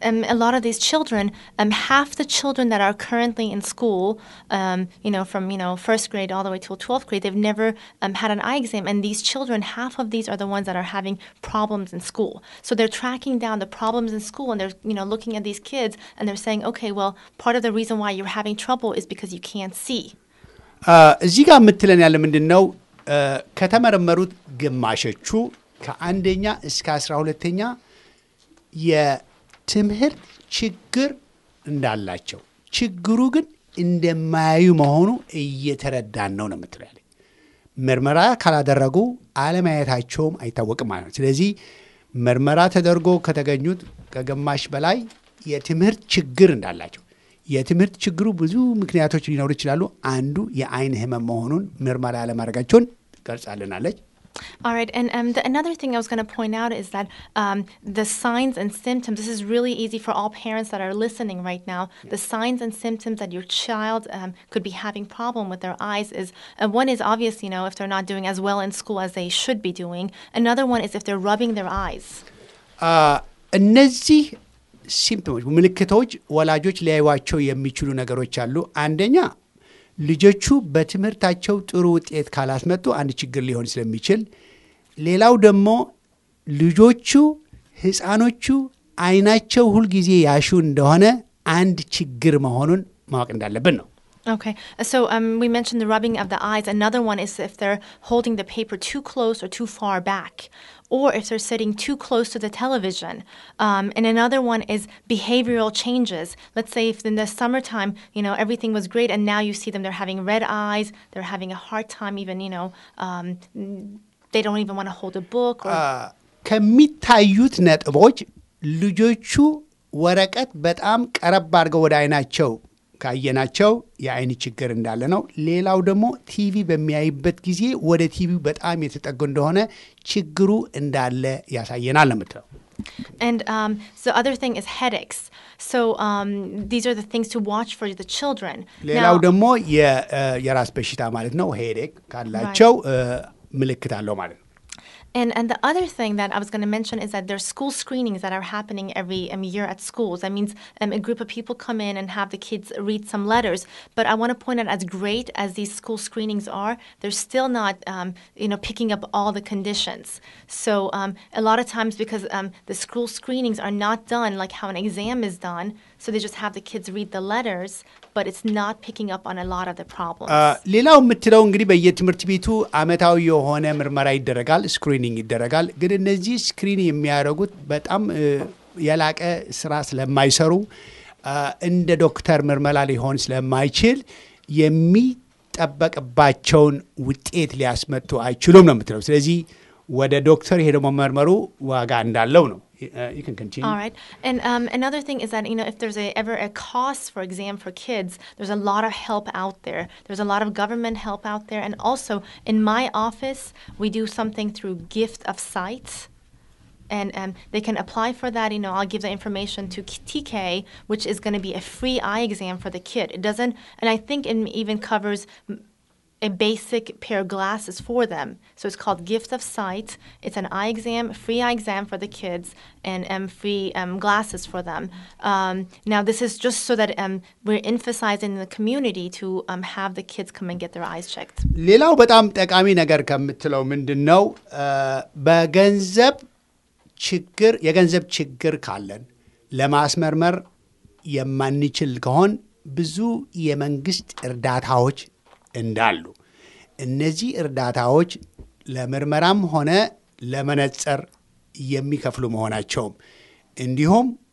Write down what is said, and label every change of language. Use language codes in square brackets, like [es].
[en] A lot of these children, half the children that are currently in school, from, first grade all the way till 12th grade, they've never had an eye exam. And these children, half of these are the ones that are having problems in school. So they're tracking down the problems in school and they're, looking at these kids and they're saying, okay, well, part of the reason why you're having trouble is because you can't see. [am] እዚህ ጋር ምትለን ያለ ምንድን ነው? ከተመረመሩት ግማሾቹ ከአንደኛ እስከ 12ኛ የትምህርት ችግር እንዳላቸው ችግሩ ግን እንደማያዩ መሆኑ እየተረዳን ነው ምትለው ያለ መርመራ ካላደረጉ አለማየታቸውም አይታወቅም ማለት ነው። ስለዚህ መርመራ ተደርጎ ከተገኙት ከግማሽ በላይ የትምህርት ችግር እንዳላቸው የትምህርት ችግሩ ብዙ ምክንያቶች ሊኖር ይችላሉ። አንዱ የአይን ህመም መሆኑን ምርመራ ለማድረጋቸውን ገልጻልናለች። [en] All right, and another thing I was going to point out is that the signs and symptoms, this is really easy for all parents that are listening right now, the signs and symptoms that your child could be having problem with their eyes is, one is obvious, if they're not doing as well in school as they should be doing. Another one is if they're rubbing their eyes. [am] እነዚህ ሲምፕቶሞች ምልክቶች ወላጆች ሊያዩዋቸው የሚችሉ ነገሮች አሉ። አንደኛ ልጆቹ በትምህርታቸው ጥሩ ውጤት ካላስመጡ አንድ ችግር ሊሆን ስለሚችል፣ ሌላው ደግሞ ልጆቹ ህፃኖቹ አይናቸው ሁልጊዜ ያሹ እንደሆነ አንድ ችግር መሆኑን ማወቅ እንዳለብን ነው። [en] Okay, so we mentioned the rubbing of the eyes. Another one is if they're holding the paper too close or too far back, or if they're sitting too close to the television. And another one is behavioral changes. Let's say if in the summertime, everything was great, and now you see them, they're having red eyes, they're having a hard time even, they don't even want to hold a book. [am] ከሚታዩት ነጥቦች ልጆቹ ወረቀት በጣም ቀረብ አድርገው ወደ አይናቸው ካየናቸው የአይን ችግር እንዳለ ነው። ሌላው ደግሞ ቲቪ በሚያይበት ጊዜ ወደ ቲቪው በጣም የተጠጋ እንደሆነ ችግሩ እንዳለ ያሳየናል ማለት ነው። [en] And the other thing is headaches. So these are the things to watch for the children. [am] ሌላው ደግሞ የራስ በሽታ ማለት ነው headache ካላቸው ምልክት አለው ማለት ነው። [en] And the other thing that I was going to mention is that there's school screenings that are happening every year at schools. That means a group of people come in and have the kids read some letters. But I want to point out, as great as these school screenings are, they're still not picking up all the conditions. So a lot of times, because the school screenings are not done like how an exam is done, so they just have the kids read the letters, but it's not picking up on a lot of the problems. [am] ሌላው ምትለው እንግዲህ በየትምህርት ቤቱ አመታዊ የሆነ ምርመራ ይደረጋል፣ ስክሪኒንግ ይደረጋል። ግን እነዚህ ስክሪን የሚያደርጉት በጣም የላቀ ስራ ስለማይሰሩ እንደ ዶክተር ምርመራ ሊሆን ስለማይችል የሚጠበቅባቸውን ውጤት ሊያስመጡ አይችሉም ነው ምትለው። ስለዚህ ወደ ዶክተር ሄዶ መመርመሩ ዋጋ እንዳለው ነው። [en] You can continue. All right. And another thing is that, if there's ever a cost for exam for kids, there's a lot of help out there. There's a lot of government help out there. And also, in my office, we do something through Gift of Sight. And they can apply for that. I'll give the information to TK, which is going to be a free eye exam for the kid. It doesn't, and I think it even covers a basic pair of glasses for them. So it's called Gift of Sight. It's an eye exam, free eye exam for the kids, and free glasses for them. Now, this is just so that we're emphasizing the community to have the kids come and get their eyes checked. [am] ሌላው በጣም ጠቃሚ ነገር ከምትለው ምንድነው? የገንዘብ ችግር ካለን ለማስመርመር የማንችል ከሆን ብዙ የመንግስት እርዳታዎች እንዳሉ እነዚህ እርዳታዎች ለመርመራም ሆነ ለመነጽር የሚከፍሉ መሆናቸው እንዲሁም